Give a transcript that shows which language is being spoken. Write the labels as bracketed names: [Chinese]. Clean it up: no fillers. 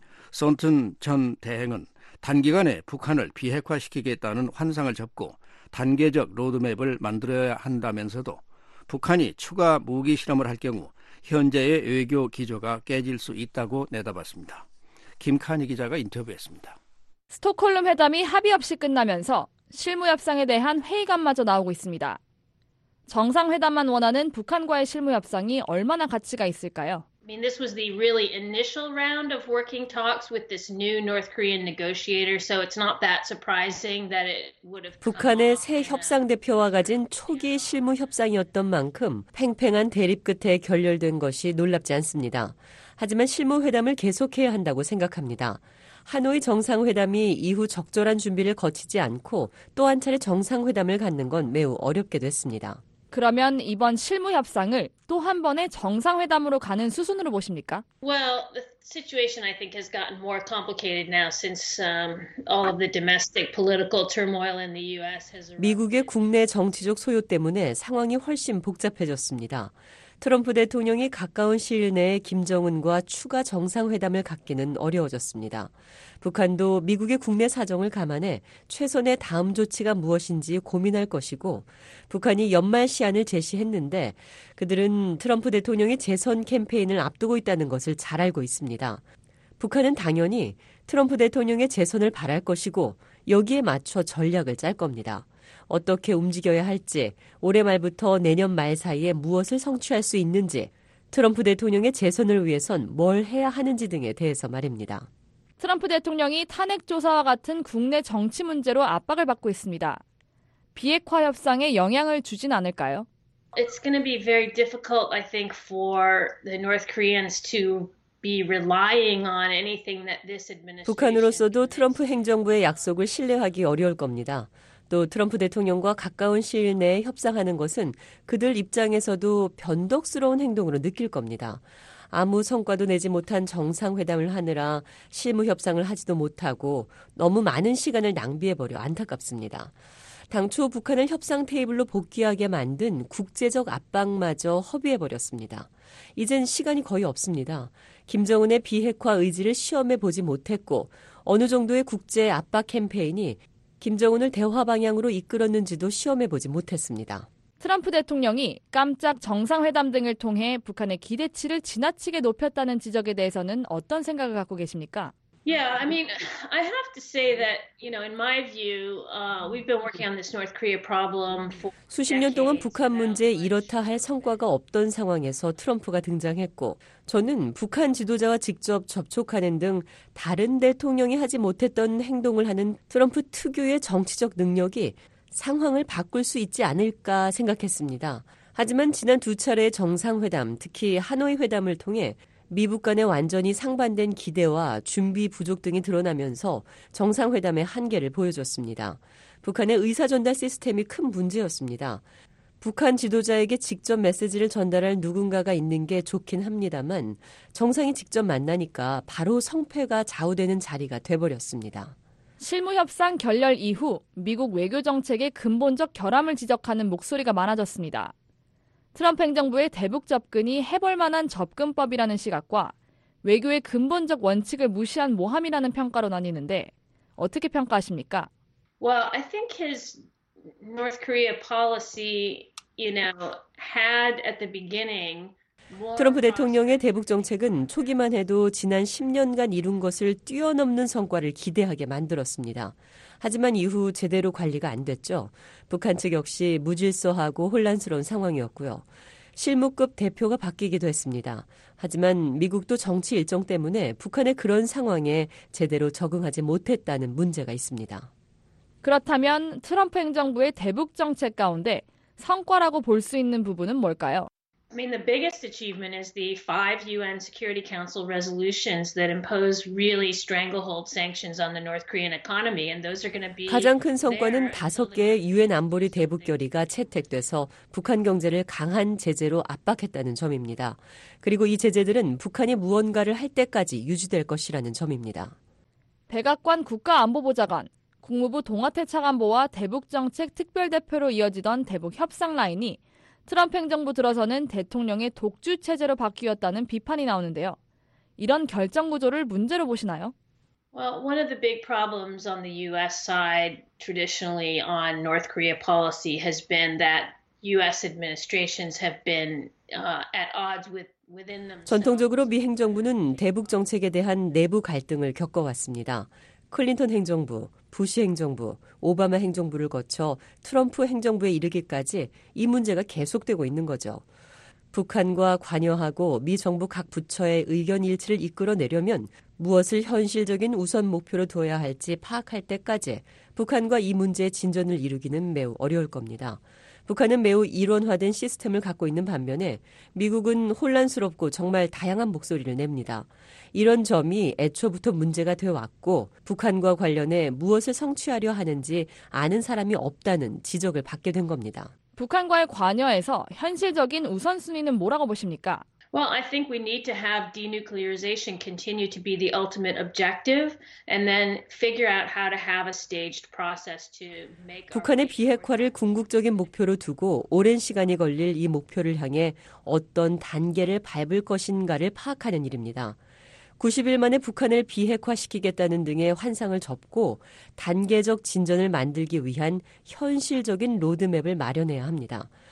[Korean] 손튼 전 대행은 단기간에 북한을 비핵화시키겠다는 환상을 접고 단계적 로드맵을 만들어야 한다면서도 북한이 추가 무기 실험을 할 경우 현재의 외교 기조가 깨질 수 있다고 내다봤습니다. 김카니 기자가 인터뷰했습니다. 스톡홀름 회담이 합의 없이 끝나면서 실무협상에 대한 회의감마저 나오고 있습니다. 정상회담만 원하는 북한과의 실무협상이 얼마나 가치가 있을까요? [English] I mean, this was the really initial round of working talks with this new North Korean negotiator, so it's not that surprising that it would have. [Korean] 북한의 새 협상 대표와 가진 초기 실무 협상이었던 만큼 팽팽한 대립 끝에 결렬된 것이 놀랍지 않습니다. 하지만 실무 회담을 계속해야 한다고 생각합니다. 하노이 정상회담이 이후 적절한 준비를 거치지 않고 또 한 차례 정상회담을 갖는 건 매우 어렵게 됐습니다. 그러면 이번 실무 협상을 또 한 번의 정상회담으로 가는 수순으로 보십니까? [English] Well, the situation I think has gotten more complicated now since all of the domestic political turmoil in the US has arrived. [Korean] 미국의 국내 정치적 소요 때문에 상황이 훨씬 복잡해졌습니다. 트럼프 대통령이 가까운 시일 내에 김정은과 추가 정상회담을 갖기는 어려워졌습니다. 북한도 미국의 국내 사정을 감안해 최선의 다음 조치가 무엇인지 고민할 것이고 북한이 연말 시한을 제시했는데 그들은 트럼프 대통령이 재선 캠페인을 앞두고 있다는 것을 잘 알고 있습니다. 북한은 당연히 트럼프 대통령의 재선을 바랄 것이고 여기에 맞춰 전략을 짤 겁니다. 어떻게 움직여야 할지, 올해 말부터 내년 말 사이에 무엇을 성취할 수 있는지, 트럼프 대통령의 재선을 위해선 뭘 해야 하는지 등에 대해서 말입니다. 트럼프 대통령이 탄핵조사와 같은 국내 정치 문제로 압박을 받고 있습니다. 비핵화 협상에 영향을 주진 않을까요? [English] It's going to be very difficult, I think, for the North Koreans to be relying on anything that this administration. [Korean] 북한으로서도 트럼프 행정부의 약속을 신뢰하기 어려울 겁니다. 또 트럼프 대통령과 가까운 시일 내에 협상하는 것은 그들 입장에서도 변덕스러운 행동으로 느낄 겁니다. 아무 성과도 내지 못한 정상회담을 하느라 실무 협상을 하지도 못하고 너무 많은 시간을 낭비해버려 안타깝습니다. 당초 북한을 협상 테이블로 복귀하게 만든 국제적 압박마저 허비해버렸습니다. 이젠 시간이 거의 없습니다. 김정은의 비핵화 의지를 시험해보지 못했고 어느 정도의 국제 압박 캠페인이 김정은을 대화 방향으로 이끌었는지도 시험해보지 못했습니다. 트럼프 대통령이 깜짝 정상회담 등을 통해 북한의 기대치를 지나치게 높였다는 지적에 대해서는 어떤 생각을 갖고 계십니까? [English] Yeah, I mean, I have to say that, you know, in my view, we've been working on this North Korea problem for [Korean] 수십 년 동안 북한 문제에 이렇다 할 성과가 없던 상황에서 트럼프가 등장했고, 저는 북한 지도자와 직접 접촉하는 등 다른 대통령이 하지 못했던 행동을 하는 트럼프 특유의 정치적 능력이 상황을 바꿀 수 있지 않을까 생각했습니다. 하지만 지난 두 차례 정상회담, 특히 하노이 회담을 통해 미북 간의 완전히 상반된 기대와 준비 부족 등이 드러나면서 정상회담의 한계를 보여줬습니다. 북한의 의사전달 시스템이 큰 문제였습니다. 북한 지도자에게 직접 메시지를 전달할 누군가가 있는 게 좋긴 합니다만 정상이 직접 만나니까 바로 성패가 좌우되는 자리가 돼버렸습니다. 실무협상 결렬 이후 미국 외교정책의 근본적 결함을 지적하는 목소리가 많아졌습니다. 트럼프 행정부의 대북 접근이 해볼 만한 접근법이라는 시각과 외교의 근본적 원칙을 무시한 모함이라는 평가로 나뉘는데 어떻게 평가하십니까? [English] Well, I think his North Korea policy, you know, had at the beginning. [Korean] 트럼프 대통령의 대북 정책은 초기만 해도 지난 10년간 이룬 것을 뛰어넘는 성과를 기대하게 만들었습니다. 하지만 이후 제대로 관리가 안 됐죠. 북한 측 역시 무질서하고 혼란스러운 상황이었고요. 실무급 대표가 바뀌기도 했습니다. 하지만 미국도 정치 일정 때문에 북한의 그런 상황에 제대로 적응하지 못했다는 문제가 있습니다. 그렇다면 트럼프 행정부의 대북 정책 가운데 성과라고 볼 수 있는 부분은 뭘까요? [English] I mean, the biggest achievement is the five UN Security Council resolutions that impose really stranglehold sanctions on the North Korean economy, and those are going to be [Korean] 가장 큰 성과는 다섯 개의 UN 안보리 대북 결의가 채택돼서 북한 경제를 강한 제재로 압박했다는 점입니다. 그리고 이 제재들은 북한이 무언가를 할 때까지 유지될 것이라는 점입니다. 백악관 국가안보보좌관, 국무부 동아태 차관보와 대북 정책 특별 대표로 이어지던 대북 협상 라인이 트럼프 행정부 들어서는 대통령의 독주 체제로 바뀌었다는 비판이 나오는데요. 이런 결정 구조를 문제로 보시나요? [English] Well, one of the big problems on the US side traditionally on North Korea policy has been that US administrations have been at odds with [Korean] 전통적으로 미 행정부는 대북 정책에 대한 내부 갈등을 겪어왔습니다. 클린턴 행정부, 부시 행정부, 오바마 행정부를 거쳐 트럼프 행정부에 이르기까지 이 문제가 계속되고 있는 거죠. 북한과 관여하고 미 정부 각 부처의 의견 일치를 이끌어내려면 무엇을 현실적인 우선 목표로 둬야 할지 파악할 때까지 북한과 이 문제의 진전을 이루기는 매우 어려울 겁니다. 북한은 매우 일원화된 시스템을 갖고 있는 반면에 미국은 혼란스럽고 정말 다양한 목소리를 냅니다. 이런 점이 애초부터 문제가 되어왔고 북한과 관련해 무엇을 성취하려 하는지 아는 사람이 없다는 지적을 받게 된 겁니다. 북한과의 관여에서 현실적인 우선순위는 뭐라고 보십니까? [English] Well, I think we need to have denuclearization continue to be the ultimate objective and then figure out how to have a staged process to make [Korean] 북한의 비핵화를 궁극적인 목표로 두고 오랜 시간이 걸릴 이 목표를 향해 어떤 단계를 밟을 것인가를 파악하는 일입니다. 90일 만에 북한을 비핵화시키겠다는 등의 환상을 접고 단계적 진전을 만들기 위한 현실적인 로드맵을 마련해야 합니다.